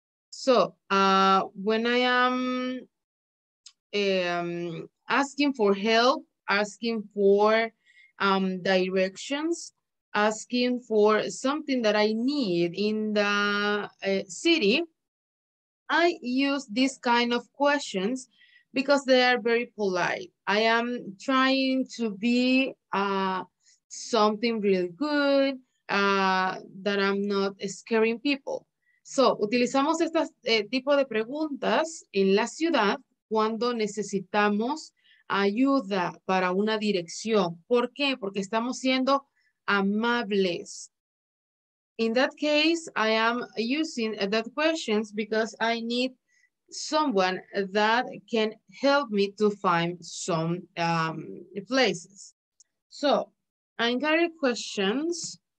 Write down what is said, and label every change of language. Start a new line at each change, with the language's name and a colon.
English: So when I am asking for help, asking for directions, asking for something that I need in the city, I use this kind of questions because they are very polite. I am trying to be something really good, that I'm not scaring people.
Spanish: So, utilizamos estas tipo de preguntas en la ciudad cuando necesitamos ayuda para una dirección. ¿Por qué? Porque estamos siendo amables.
English: In that case, I am using that questions because I need someone that can help me to find some places. So, I got your questions.